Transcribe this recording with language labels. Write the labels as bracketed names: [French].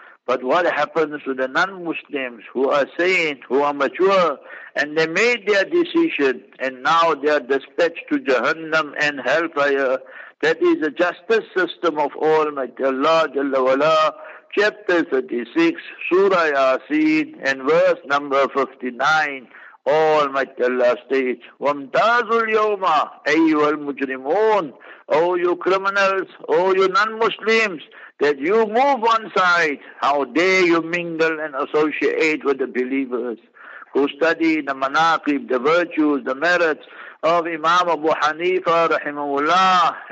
[English] But what happens to the non-Muslims who are sane, who are mature, and they made their decision, and now they are dispatched to Jahannam and Hellfire? That is the justice system of Almighty Allah, Jalla Wala, chapter 36, Surah Yasin, and verse number 59. Almighty Allah states, [Arabic] وَمْتَازُ الْيَوْمَ أَيُّهَا الْمُجْرِمُونَ. [English] O you criminals, O you non-Muslims, that you move one side, how dare you mingle and associate with the believers who study the manaqib, the virtues, the merits of Imam Abu Hanifa, rahimahullah.